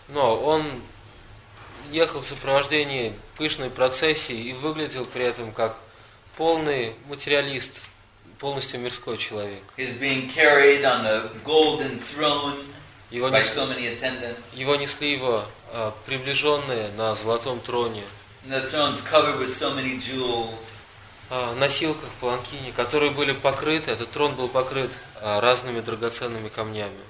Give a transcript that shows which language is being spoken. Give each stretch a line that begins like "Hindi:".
Russian: Но он ехал в сопровождении пышной процессии и выглядел при этом как полный материалист, полностью мирской человек.
English: He's being carried on the golden throne
Russian: его
English: by so many attendants.
Russian: Его несли его приближенные на золотом троне.
English: And the throne's covered with so many jewels.
Russian: Носилках, паланкине, которые были покрыты, этот трон был покрыт разными драгоценными камнями.